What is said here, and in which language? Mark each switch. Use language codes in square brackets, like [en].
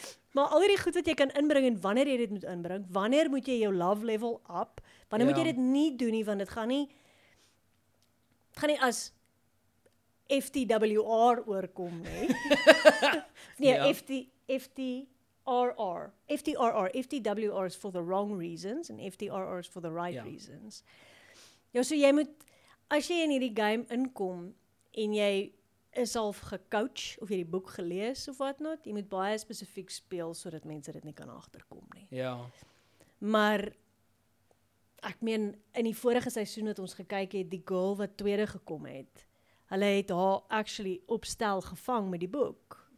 [af] Maar al die goed wat jy kan inbring en wanneer jy dit moet inbring, wanneer moet jy jou [en] love level up, [af] wanneer moet jy dit nie doen nie, want het gaan nie as FTWR oorkom nie. Nee, FTRR. FTRR. [en] FTWR is for the wrong reasons en FTRR is for the right reasons. [af] Ja, so jy moet, as jy in hierdie game inkom en jy is al gecoach of jy die boek gelees of wat not, jy moet baie spesifiek speel sodat mense dit nie kan agterkom nie. Ja. Maar ek meen, in die vorige seisoen wat ons gekyk het, die girl wat tweede gekom het, hulle het haar actually opstel gevang met die boek.